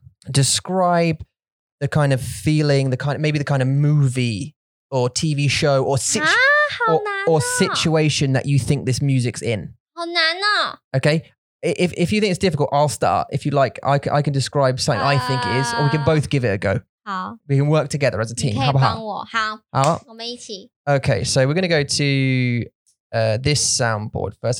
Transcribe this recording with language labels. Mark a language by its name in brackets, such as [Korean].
[English] Describe the kind of feeling, the kind of, maybe the kind of movie or TV show or, or situation that you think this music's in. Okay? If you think it's difficult, I'll start. If you like, I can describe something I think it is, or we can both give it a go. We can work together as a team. [Chinese] 你可以帮我，好，我们一起。 [English] Okay, so we're going to go to this soundboard first.